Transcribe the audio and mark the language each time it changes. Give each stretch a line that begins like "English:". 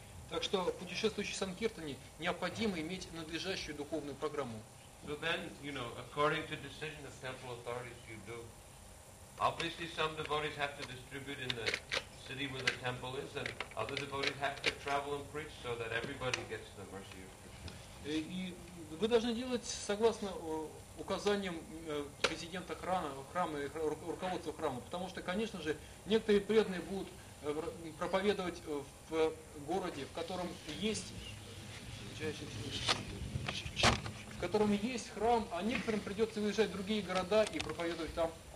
Russian: Так что путешествующий санкиртане необходимо иметь надлежащую духовную программу.
English: So then, you know, according to decision of temple authorities, you do Obviously, some devotees have to distribute in the city where the temple is, and other devotees have to travel and preach so that everybody gets the mercy of Krishna.
Russian: Вы должны делать согласно указаниям президента храма и руководства храма, потому что, конечно же, некоторые преданные будут проповедовать в городе, в котором есть храм, а некоторым придется выезжать в другие города и проповедовать там.